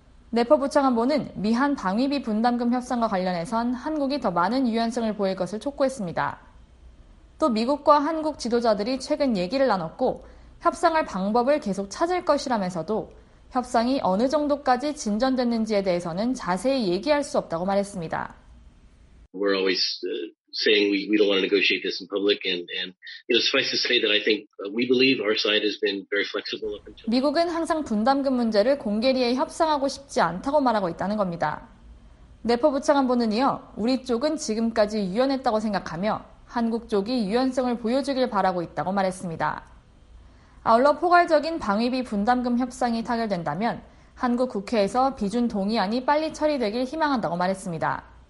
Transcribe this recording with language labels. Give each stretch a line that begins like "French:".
Korean: 네퍼 부차관보는 미한 방위비 분담금 협상과 관련해선 한국이 더 많은 유연성을 보일 것을 촉구했습니다. 또 미국과 한국 지도자들이 최근 얘기를 나눴고 협상할 방법을 계속 찾을 것이라면서도 협상이 어느 정도까지 진전됐는지에 대해서는 자세히 얘기할 수 없다고 말했습니다.
English: We're always saying we don't want to negotiate this in public and you know suffice to say that I think we believe our side has been very flexible up until
Korean: 미국은 항상 분담금 문제를 공개리에 협상하고 싶지 않다고 말하고 있다는 겁니다. 내포 부차관보는 이어 우리 쪽은 지금까지 유연했다고 생각하며 한국 쪽이 유연성을 보여주길 바라고 있다고 말했습니다. 아울러 포괄적인 방위비 분담금 협상이 타결된다면 한국 국회에서 비준 동의안이 빨리 처리되길 희망한다고 말했습니다.